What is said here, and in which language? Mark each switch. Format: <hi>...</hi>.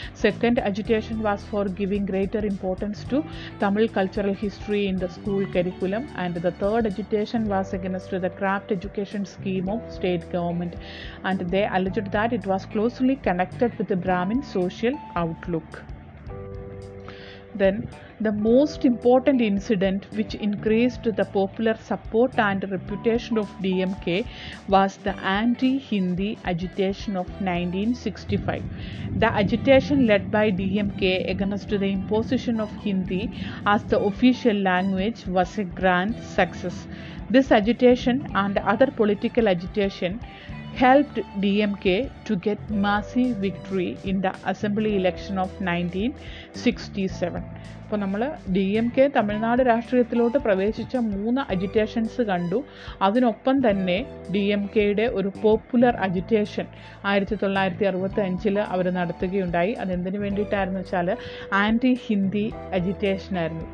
<en>Second agitation was for giving greater importance to Tamil cultural history in the school curriculum. And the third agitation was against to the craft education scheme of state government. And they alleged that it was closely connected with Brahmin social outlook. Then the most important incident which increased the popular support and reputation of DMK was the anti-Hindi agitation of 1965. The agitation led by DMK against the imposition of Hindi as the official language was a grand success. This agitation and other political agitation helped DMK to get massive victory in the assembly election of 1967.</en> <ml>അപ്പോൾ നമ്മൾ D M K Tamil Nadu രാഷ്ട്രീയത്തിലോട്ട് പ്രവേശിച്ച മൂന്ന് agitations കണ്ടു. അതിനൊപ്പം തന്നെ D M കെയുടെ ഒരു popular agitation 1965 അവർ നടത്തുകയുണ്ടായി. അതെന്തിനു വേണ്ടിയിട്ടായിരുന്നു വെച്ചാൽ ആൻറ്റി ഹിന്ദി അജിറ്റേഷനായിരുന്നു.</ml>